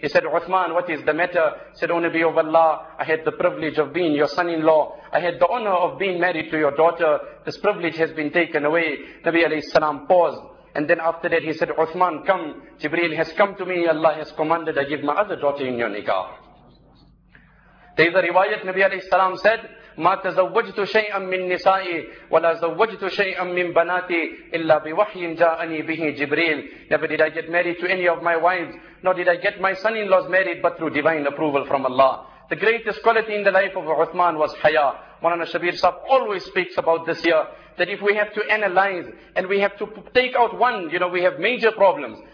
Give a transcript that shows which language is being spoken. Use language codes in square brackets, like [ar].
[en] He said, Uthman, what is the matter? He said, O Nabi of Allah, I had the privilege of being your son-in-law. I had the honor of being married to your daughter. This privilege has been taken away. Nabi alayhi salam paused. And then after that he said, Uthman, come, Jibreel has come to me, Allah has commanded, I give my other daughter in your nikah. There is a riwayat, Nabi alayhi salam said, [ar] مَا تَزَوَّجْتُ شَيْئًا مِّن نِسَائِي وَلَا زَوَّجْتُ شَيْئًا مِّن بَنَاتِي إِلَّا بِوَحْيٍ جَاءَنِي بِهِ جِبْرِيلِ. [en] Never did I get married to any of my wives, nor did I get my son-in-laws married, but through divine approval from Allah. The greatest quality in the life of Uthman was haya. Mawlana Shabir Sahib always speaks about this here, that if we have to analyze and we have to take out one, you know, we have major problems.